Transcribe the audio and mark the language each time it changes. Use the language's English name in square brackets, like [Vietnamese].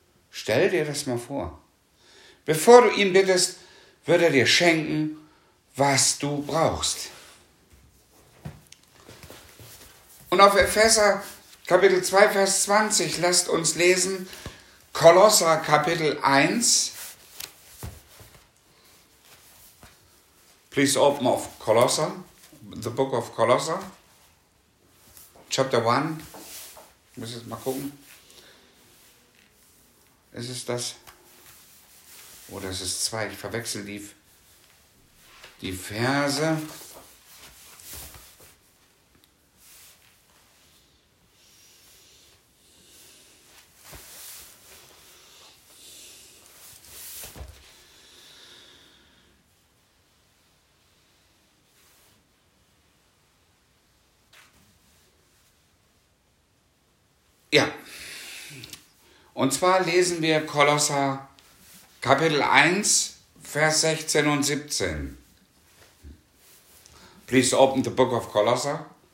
[German] Stell dir das mal vor. Bevor du ihn bittest, wird er dir schenken, was du brauchst. Und auf Epheser Kapitel 2, Vers 20, lasst uns lesen, Kolosser Kapitel 1. [English] Please open of Colossa, the book of Colossa, chapter 1. [German] Ich muss jetzt mal gucken. Ist es das? Oder ist es 2? Ich verwechsel die Verse. Ja, und zwar lesen wir Kolosser Kapitel 1, Vers 16 und 17. [English] Please open the book of Kolosser.